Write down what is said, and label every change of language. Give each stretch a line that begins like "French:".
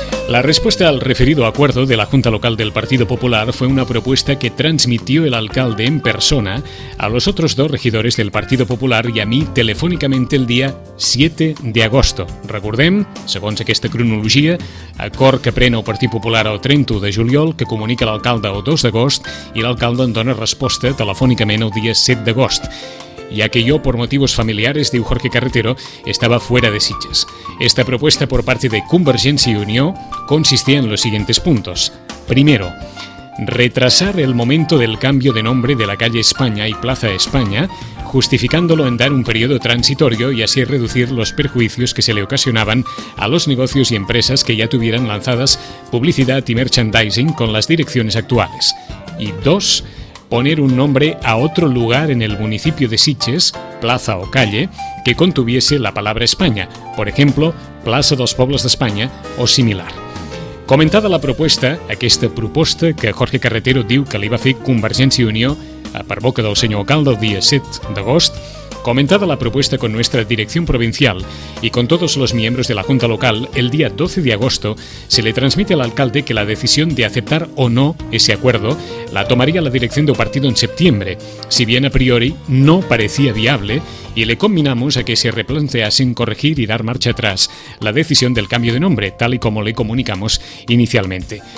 Spanish: La respuesta al referido acuerdo de la Junta Local del Partido Popular fue una propuesta que transmitió el alcalde en persona a los otros dos regidores del Partido Popular y a mí telefónicamente el día 7 de agosto.
Catalan: Recordem, segons aquesta cronologia, acord que pren el Partit Popular el 31 de juliol, que comunica l'alcalde el 2 d'agost, i l'alcalde en dona resposta telefònicament el dia 7 d'agost.
Spanish: Ya que yo, por motivos familiares,
Catalan: diu
Spanish: Jorge Carretero, estaba fuera de Sitges. Esta propuesta por parte de Convergencia y Unión consistía en los siguientes puntos. Primero, retrasar el momento del cambio de nombre de la calle España y Plaza España, justificándolo en dar un periodo transitorio y así reducir los perjuicios que se le ocasionaban a los negocios y empresas que ya tuvieran lanzadas publicidad y merchandising con las direcciones actuales. Y dos, poner un nombre a otro lugar en el municipio de Sitges, plaza o calle, que contuviese la palabra España, por ejemplo, Plaza dels Pobles d'Espanya o similar. Comentada la propuesta,
Catalan: aquesta proposta que Jorge Carretero diu que li va fer Convergència i Unió per boca del senyor alcalde el dia 7 d'agost,
Spanish: comentada la propuesta con nuestra dirección provincial y con todos los miembros de la Junta Local, el día 12 de agosto se le transmite al alcalde que la decisión de aceptar o no ese acuerdo la tomaría la dirección del partido en septiembre, si bien a priori no parecía viable, y le combinamos a que se replanteasen corregir y dar marcha atrás la decisión del cambio de nombre, tal y como le comunicamos inicialmente.